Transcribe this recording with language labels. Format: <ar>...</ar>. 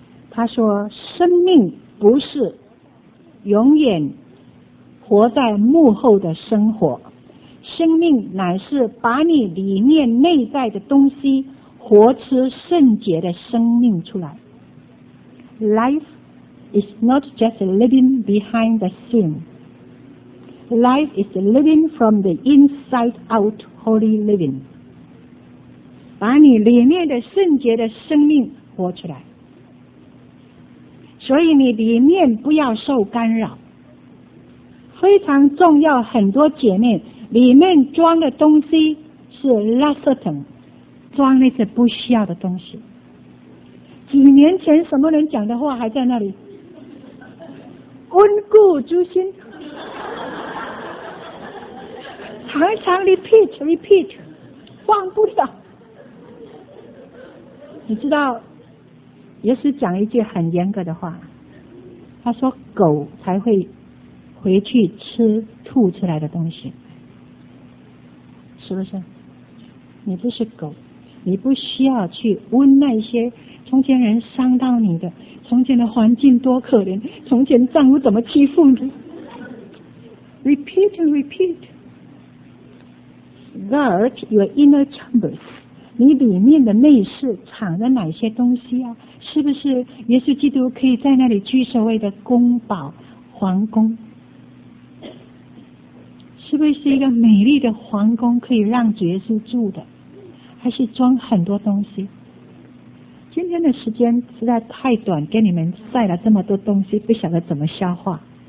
<zh>他说生命不是永远活在幕后的生活，生命乃是把你里面内在的东西活出圣洁的生命出来。</zh> <en>Life is not just living behind the scene， Life is living from the inside out, holy living.</en> <zh>把你里面的圣洁的生命活出来。所以你里面不要受干扰。非常重要，很多姐妹里面装的东西是垃圾桶，装那些不需要的东西。几年前什么人讲的话还在那里？温故诛新，常常</zh> <en>repeat repeat，</en> <zh>忘不了。你知道耶稣讲一句很严格的话，他说狗才会回去吃吐出来的东西，是不是？你不是狗，你不需要去问那些从前人伤到你的，从前的环境多可怜，从前丈夫怎么欺负你。</zh> <en>Repeat and repeat. Guard your inner chambers.</en> <zh>你里面的内室藏着哪些东西啊？是不是耶稣基督可以在那里居所谓的宫堡皇宫？是不是一个美丽的皇宫可以让耶稣住的？还是装很多东西？今天的时间实在太短，给你们带了这么多东西，不晓得怎么消化。</zh>